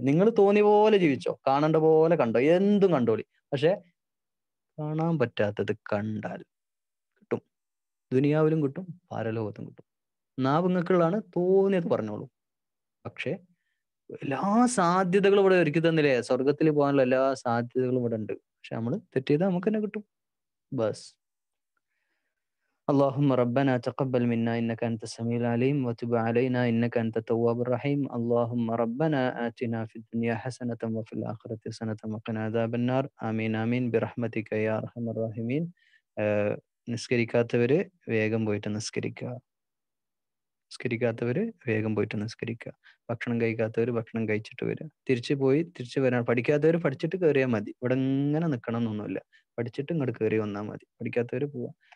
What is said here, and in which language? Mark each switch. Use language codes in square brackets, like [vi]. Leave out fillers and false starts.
[ml] നിങ്ങൾ തോന്നിയ പോലെ ജീവിച്ചോ, കാണേണ്ട പോലെ കണ്ടോ, എന്തും കണ്ടോളി, പക്ഷെ കാണാൻ പറ്റാത്തത് കണ്ടാൽ കിട്ടും, ദുനിയാവിലും കിട്ടും പരലോകത്തും കിട്ടും. നാവ് നിങ്ങൾക്കുള്ളതാണ്, തോന്നിയത് പറഞ്ഞോളൂ, പക്ഷെ എല്ലാ സാധ്യതകളും ഇവിടെ ഒരുക്കി തന്നില്ലേ, സ്വർഗത്തിൽ പോകാനുള്ള എല്ലാ സാധ്യതകളും ഇവിടെ ഉണ്ട്, പക്ഷെ നമ്മൾ തെറ്റെയ്താൽ നമുക്ക് തന്നെ കിട്ടും ബസ്. [ar] اللهم ربنا تقبل منا انك انت السميع العليم وتب علينا انك انت التواب الرحيم اللهم ربنا آتنا في الدنيا حسنه وفي الاخره حسنه وقنا عذاب النار امين امين برحمتك يا ارحم الراحمين. [ml] നിസ്കരിക്കാത്തവരെ വേഗം പോയിട്ട് നിസ്കരിക്കുക, നിസ്കരിക്കാത്തവരെ വേഗം പോയിട്ട് നിസ്കരിക്കുക, ഭക്ഷണം കഴിക്കാത്തവര് ഭക്ഷണം കഴിച്ചിട്ട് വരിക, തിരിച്ചു പോയി തിരിച്ചു വരാൻ, പഠിക്കാത്തവർ പഠിച്ചിട്ട് കയറിയാൽ മതി, ഇവിടെ ഇങ്ങനെ നിൽക്കണം എന്നൊന്നുമില്ല, പഠിച്ചിട്ട് ഇങ്ങോട്ട് കയറി വന്നാൽ മതി, പഠിക്കാത്തവർ പോവാം.